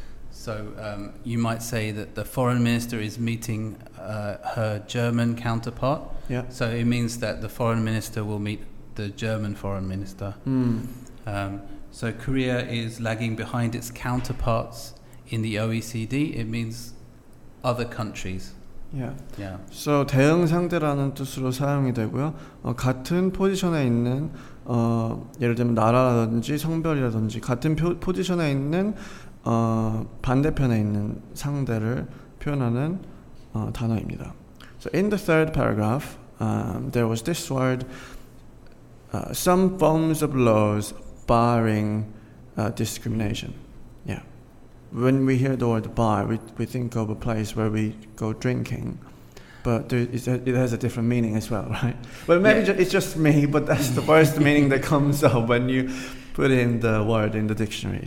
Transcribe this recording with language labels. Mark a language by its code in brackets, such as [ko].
[en] So you might say that the foreign minister is meeting her German counterpart. Yeah. So it means that the foreign minister will meet the German foreign minister. Mm. So Korea is lagging behind its counterparts in the OECD. It means other countries. Yeah. Yeah. [ko] So 대응 상대라는 뜻으로 사용이 되고요. 같은 포지션에 있는 예를 들면 나라라든지 성별이라든지 같은 포지션에 있는 반대편에 있는 상대를 표현하는 단어입니다. [en] So in the third paragraph, there was this word, some forms of laws barring discrimination. Yeah. When we hear the word bar, we think of a place where we go drinking. But it has a different meaning as well, right? Well, maybe it's just me, but that's the first meaning that comes up when you put in the word in the dictionary.